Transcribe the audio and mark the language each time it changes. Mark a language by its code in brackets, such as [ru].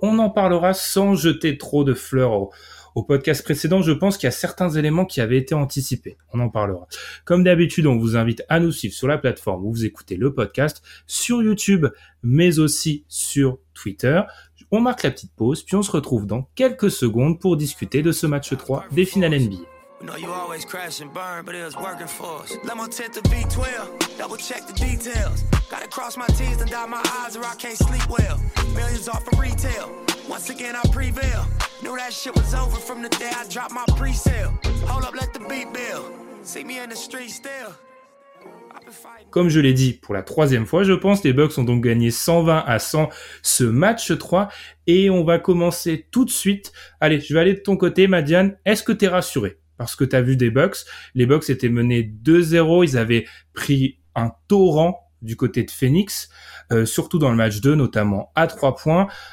[fr] On en parlera sans jeter trop de fleurs au podcast précédent, je pense qu'il y a certains éléments qui avaient été anticipés. On en parlera. Comme d'habitude, on vous invite à nous suivre sur la plateforme où vous écoutez le podcast, sur YouTube, mais aussi sur Twitter. On marque la petite pause, puis on se retrouve dans quelques secondes pour discuter de ce match 3 des finales NBA. [en] We know you always crash and burn, but it was working for us. Limo tint to V12, double check the details. Gotta cross my T's and dot my I's or I can't sleep well. Millions off of retail, once again I prevail. Knew that shit was over from the day I dropped my pre-sale. Hold up, let the beat bill. See me in the street still. [fr] Comme je l'ai dit pour la troisième fois, je pense, les Bucks ont donc gagné 120 à 100 ce match 3. Et on va commencer tout de suite. Allez, je vais aller de ton côté, Madiane. Est-ce que t'es rassuré? Parce que tu as vu des Bucks, les Bucks étaient menés 2-0, ils avaient pris un torrent du côté de Phoenix, surtout dans le match 2, notamment à 3 points.